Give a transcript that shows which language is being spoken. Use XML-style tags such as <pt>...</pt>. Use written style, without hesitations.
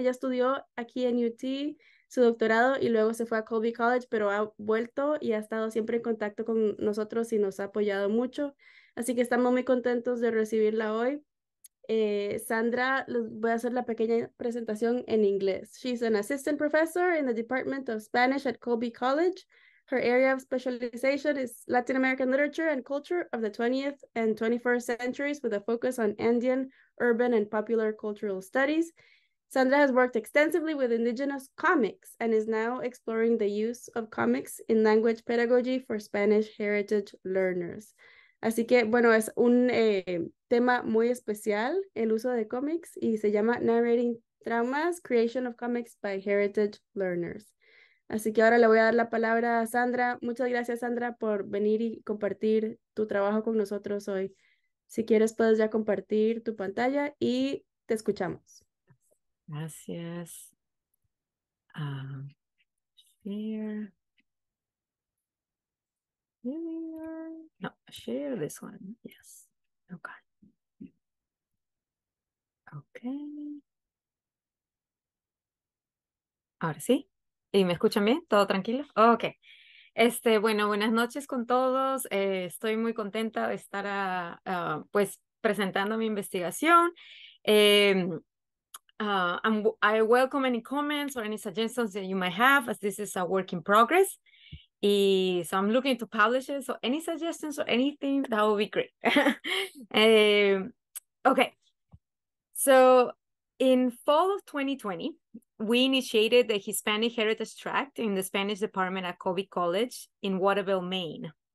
<es>Ella estudió aquí en UT su doctorado y luego se fue a Colby College, pero ha vuelto y ha estado siempre en contacto con nosotros y nos ha apoyado mucho. Así que estamos muy contentos de recibirla hoy. Sandra, voy a hacer la pequeña presentación en inglés.</es> <en>She's an assistant professor in the Department of Spanish at Colby College. Her area of specialization is Latin American literature and culture of the 20th and 21st centuries with a focus on Andean, urban, and popular cultural studies. Sandra has worked extensively with indigenous comics and is now exploring the use of comics in language pedagogy for Spanish heritage learners.</en> <es>Así que, bueno, es un tema muy especial, el uso de cómics, y se llama Narrating Traumas, Creation of Comics by Heritage Learners. Así que ahora le voy a dar la palabra a Sandra. Muchas gracias, Sandra, por venir y compartir tu trabajo con nosotros hoy. Si quieres, puedes ya compartir tu pantalla y te escuchamos.</es> <en>Gracias. No, share this one. Yes. Okay. Okay.</en> <es>Ahora sí. ¿Y me escuchan bien? ¿Todo tranquilo? Okay. Bueno, buenas noches con todos. Estoy muy contenta de estar presentando mi investigación.</es> <en>I welcome any comments or any suggestions that you might have, as this is a work in progress. So I'm looking to publish it. So any suggestions or anything, that would be great. okay. So in fall of 2020, we initiated the Hispanic Heritage Track in the Spanish department at Colby College in Waterville, Maine.</en>